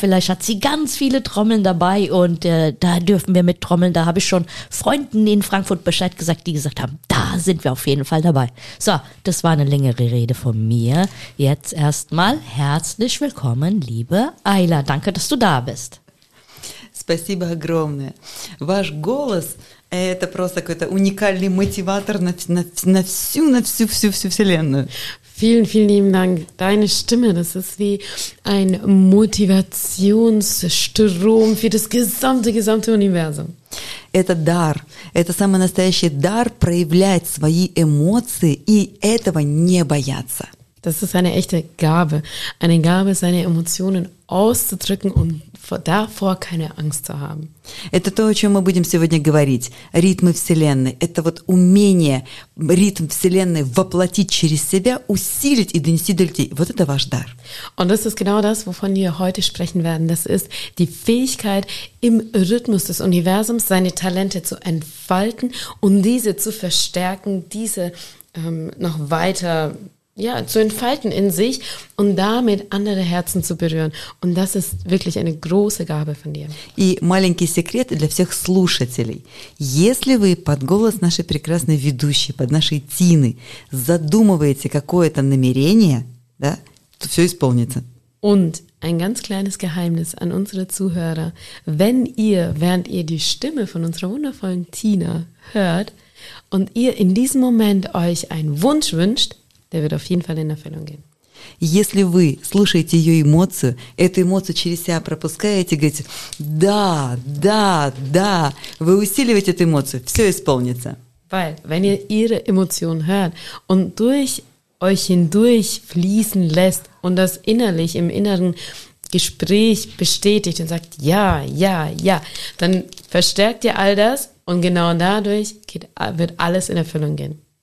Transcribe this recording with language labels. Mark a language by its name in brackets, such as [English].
[German] Vielleicht hat sie ganz viele Trommeln dabei und da dürfen wir mit Trommeln. Da habe ich schon Freunden in Frankfurt Bescheid gesagt, die gesagt haben, da sind wir auf jeden Fall dabei. So, das war eine längere Rede von mir. Jetzt erstmal herzlich willkommen, liebe Ayla. Danke, dass du da bist. [Russian] Спасибо огромное. Ваш голос это просто какой-то уникальный мотиватор на всю вселенную. [German] Vielen, vielen lieben Dank. Deine Stimme, das ist wie ein Motivationsstrom für das gesamte Universum. [Russian] Это дар. Это самый настоящий дар проявлять свои эмоции и этого не бояться. [German] Das ist eine echte Gabe. Eine Gabe, seine Emotionen auszudrücken und davor keine Angst zu haben. [Russian] Это то, о чем мы будем сегодня говорить. Ритмы Вселенной. Это вот умение ритм Вселенной воплотить через себя, усилить и донести до людей. Вот это ваш дар. [German] Und das ist genau das, wovon wir heute sprechen werden. Das ist die Fähigkeit, im Rhythmus des Universums seine Talente zu entfalten und diese zu verstärken, diese noch weiter ja, zu entfalten in sich und damit andere Herzen zu berühren. Und das ist wirklich eine große Gabe von dir. [Russian] И маленький секрет для всех слушателей. Если вы под голос нашей прекрасной ведущей, под нашей Тины, задумываете какое-то намерение, да, то все исполнится. [German] Und ein ganz kleines Geheimnis an unsere Zuhörer. Wenn ihr, während ihr die Stimme von unserer wundervollen Tina hört und ihr in diesem Moment euch einen Wunsch wünscht, der wird auf jeden Fall in Erfüllung gehen. [Russian] Если вы слушаете ее эмоцию, эту эмоцию через себя пропускаете, говорите «да, да, да», вы усиливаете эту эмоцию, все исполнится. [German] Weil, wenn ihr ihre Emotionen hört und durch euch hindurch fließen lässt und das innerlich, im Inneren Gespräch bestätigt und sagt ja, ja, ja, dann verstärkt ihr all das und genau dadurch wird alles in Erfüllung gehen.